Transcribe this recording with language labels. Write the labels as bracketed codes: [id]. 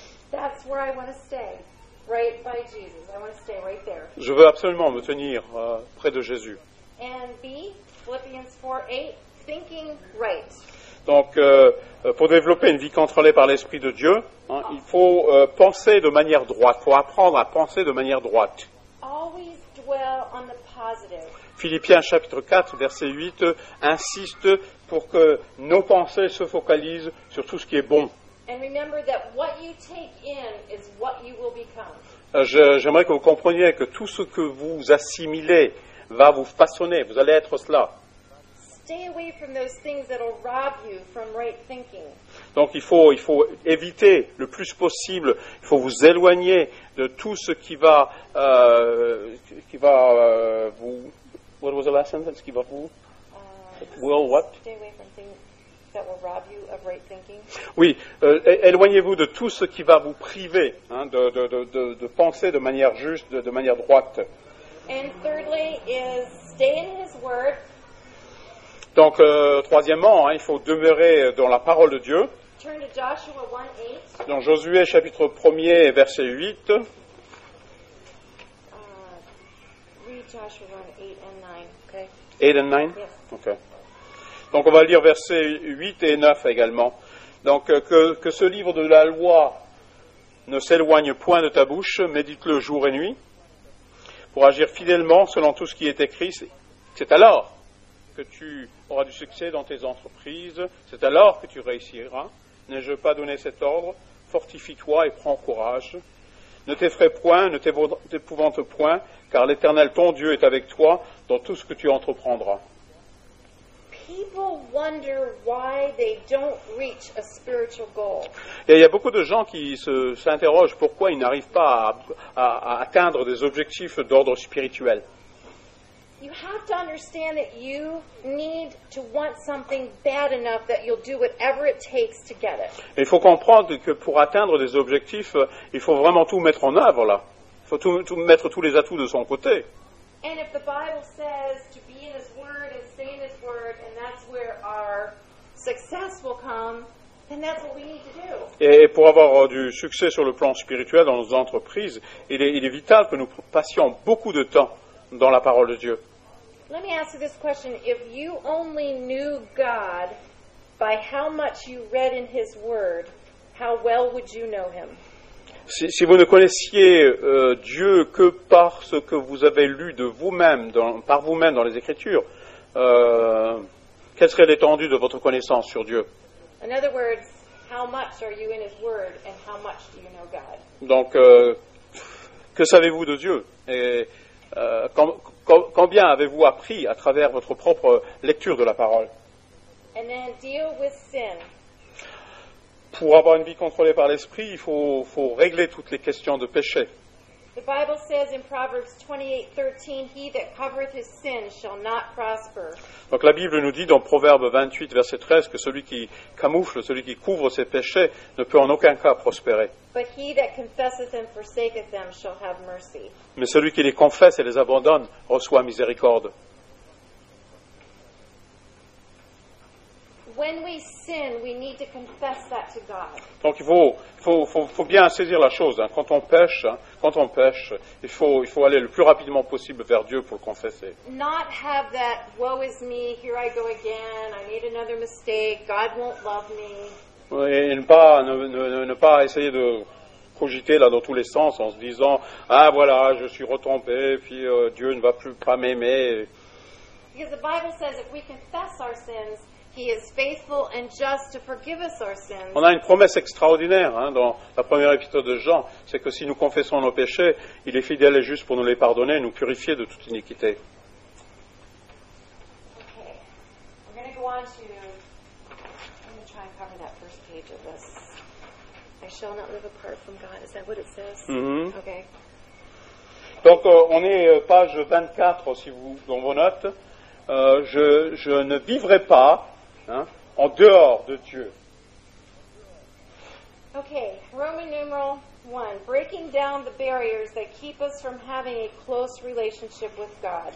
[en] That's where I want to stay, right by Jesus. I want to stay right there. [fr] Je veux absolument me tenir près de Jésus. [en] And B, Philippians 4:8, thinking right. [fr] Donc, pour développer une vie contrôlée par l'Esprit de Dieu, hein, il faut penser de manière droite. Il faut apprendre à penser de manière droite. [en] Always dwell on the positive. [fr] Philippiens chapitre 4, verset 8, insiste pour que nos pensées se focalisent sur tout ce qui est bon. [en] And remember that what you take in is what you will become. [fr] J'aimerais que vous compreniez que tout ce que vous assimilez va vous façonner, vous allez être cela. [en] Stay away from those things that will rob you from right thinking. [fr] Donc il faut éviter le plus possible, il faut vous éloigner de tout ce qui va vous [en] what was the last sentence [fr] qui va vous [en] will what? Stay away from things that will rob you of right thinking. [fr] Oui, éloignez-vous de tout ce qui va vous priver hein, de penser de manière juste, de manière droite. [en] And thirdly is stay in his word. [fr] Donc, troisièmement, hein, il faut demeurer dans la parole de Dieu. [en] Turn to Joshua 1:8. [fr] Dans Josué, chapitre 1er, verset 8. [en] Read Joshua 1:8 and 9, ok? 8 and 9? Yes. Ok. [fr] Donc, on va lire versets 8 et 9 également. Donc, que ce livre de la loi ne s'éloigne point de ta bouche, médite-le jour et nuit, pour agir fidèlement selon tout ce qui est écrit. C'est alors que tu auras du succès dans tes entreprises, c'est alors que tu réussiras. N'ai-je pas donné cet ordre? Fortifie-toi et prends courage. Ne t'effraie point, ne t'épouvante point, car l'Éternel, ton Dieu, est avec toi dans tout ce que tu entreprendras. [en] People wonder why they don't reach a spiritual goal. [fr] Et il y a beaucoup de gens qui s'interrogent pourquoi ils n'arrivent pas à atteindre des objectifs d'ordre spirituel. [en] You have to understand that you need to want something bad enough that you'll do whatever it takes to get it. [fr] Il faut comprendre que pour atteindre des objectifs, il faut vraiment tout mettre en œuvre là. Il faut tout mettre tous les atouts de son côté. [en] And if the Bible says to be in his word and stay in his word and that's where our success will come, then that's what we need to do. [fr] Et pour avoir du succès sur le plan spirituel dans nos entreprises, il est vital que nous passions beaucoup de temps dans la parole de Dieu. [en] Let me ask you this question. If you only knew God by how much you read in his word, how well would you know him? [fr] Si vous ne connaissiez Dieu que par ce que vous avez lu de vous-même, par vous-même dans les Écritures, quelle serait l'étendue de votre connaissance sur Dieu? [en] In other words, how much are you in his word and how much do you know God? [fr] Donc, que savez-vous de Dieu? Et Combien avez-vous appris à travers votre propre lecture de la parole? [en] And then deal with sin. [fr] Pour avoir une vie contrôlée par l'esprit, il faut régler toutes les questions de péché. [en] The Bible says in Proverbs 28:13, he that covereth his sin shall not prosper. [fr] Donc la Bible nous dit dans Proverbe 28 verset 13 que celui qui camoufle, celui qui couvre ses péchés ne peut en aucun cas prospérer. [en] But he that confesseth and forsaketh them shall have mercy. [fr] Mais celui qui les confesse et les abandonne reçoit miséricorde. [en] When we sin, we need to confess that to God. [fr] Donc il faut bien saisir la chose. Hein. Quand on pêche, il faut aller le plus rapidement possible vers Dieu pour le confesser. [en] Not have that woe is me, here I go again, I made another mistake, God won't love me. [fr] Et ne pas essayer de cogiter là dans tous les sens en se disant ah voilà je suis retombé puis Dieu ne va plus pas m'aimer. [en] Because the Bible says if we confess our sins, He is faithful and just to forgive us our sins. [fr] On a une promesse extraordinaire hein, dans la première épître de Jean, c'est que si nous confessons nos péchés, il est fidèle et juste pour nous les pardonner et nous purifier de toute iniquité. [en] Okay. We're going to go on to try and cover that first page of this. I shall not live apart from God. Is that what it says? Mm-hmm. Okay. [fr] Donc on est page 24 si vous dans vos notes. Je ne vivrai pas hein, en dehors de Dieu. [en] Okay, Roman numeral 1, breaking down the barriers that keep us from having a close relationship with God.